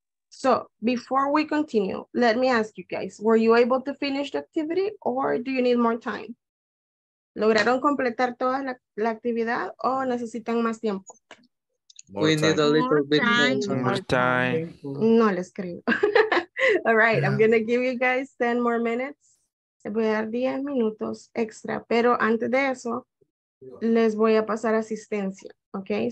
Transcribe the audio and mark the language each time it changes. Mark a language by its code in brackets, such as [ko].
[en] So before we continue, let me ask you guys, were you able to finish the activity or do you need more time? [es] ¿Lograron completar toda la actividad o necesitan más tiempo? [en] We need a little bit more time. [es] No les creo. [en] All right, yeah. I'm going to give you guys 10 more minutes. [es] Voy a dar 10 minutos extra, pero antes de eso, les voy a pasar asistencia, ¿ok?